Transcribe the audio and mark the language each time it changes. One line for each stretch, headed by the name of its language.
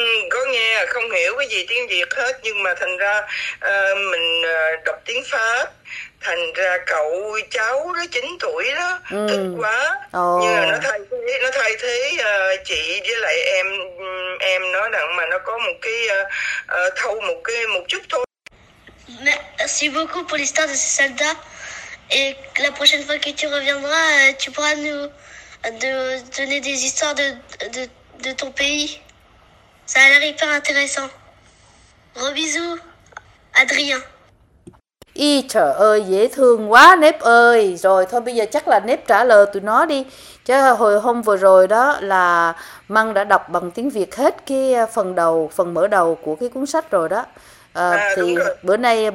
Vietnamese: Có nghe, không hiểu cái gì tiếng Việt hết, nhưng mà thành ra mình đọc tiếng Pháp, thành ra cậu cháu đó 9 tuổi đó thích quá. Nhưng mà nó thay thế chị với lại em nói rằng mà nó có một cái thâu một chút thôi.
French: Merci beaucoup pour l'histoire de ce soldat, et la prochaine fois que tu reviendras tu pourras nous donner des histoires de ton pays. Ça a l'air hyper intéressant. Gros bisous, Adrien.
Vietnamese: Ý trời ơi, dễ thương quá Nếp ơi. Rồi thôi bây giờ chắc là Nếp trả lời tụi nó đi. Chứ hồi hôm vừa rồi đó là Măng đã đọc bằng tiếng Việt hết cái phần mở đầu của cái cuốn sách rồi đó. Thì rồi.